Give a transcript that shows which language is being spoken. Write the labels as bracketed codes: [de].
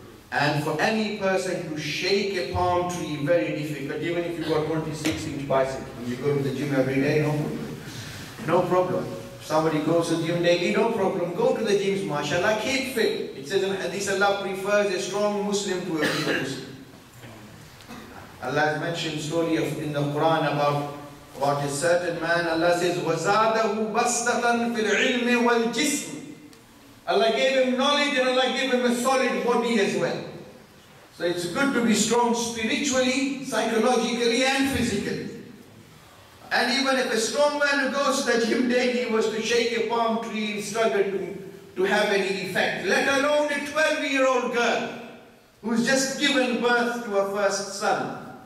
[en] And for any person to shake a palm tree, very difficult, even if you've got 26 inch bicep and you go to the gym every day, no problem. No problem. Somebody goes to the gym daily, no problem. Go to the gym, mashallah, keep fit. It says in Hadith, Allah prefers a strong Muslim to a weak Muslim. Allah mentioned story of in the Quran about a certain man. Allah says, [ar] وَزَادَهُ بَسْتَةً فِي الْعِلْمِ وَالْجِسْمِ. [en] Allah gave him knowledge and Allah gave him a solid body as well. So it's good to be strong spiritually, psychologically and physically. And even if a strong man who goes to the gym daily was to shake a palm tree and struggle to have any effect, let alone a 12-year-old girl who's just given birth to her first son.